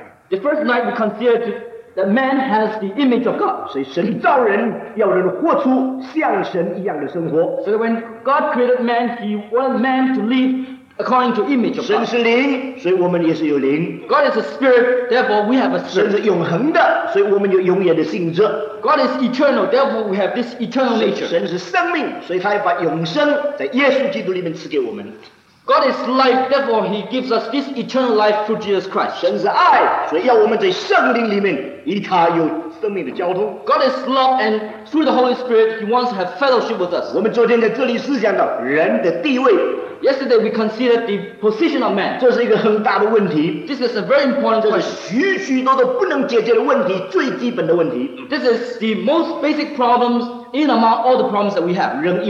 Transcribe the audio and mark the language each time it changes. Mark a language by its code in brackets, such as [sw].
[en] The first night we considered that man has the image of God. [zh] 所以神造人要人活出像神一样的生活. [en] So when God created man, he wanted man to live according to image of God. [zh] 神是灵，所以我们也是有灵. [en] God is a spirit, therefore we have a spirit. [zh] 神是永恒的，所以我们有永远的性质. [en] God is eternal, therefore we have this eternal nature. [zh] 神是生命，所以他要把永生在耶稣基督里面赐给我们. [en] God is life, therefore he gives us this eternal life through Jesus Christ. [zh] 神是爱，所以要我们在圣灵里面与他有生命的交通. [en] God is love, and through the Holy Spirit he wants to have fellowship with us. [zh] 我们昨天在这里思想到人的地位. [en] Yesterday we considered the position of man. [zh] 这是一个很大的问题. [en] This is a very important question. [zh] 这是许许多多不能解决的问题, 最基本的问题. [en] This is the most basic problems in among all the problems that we have.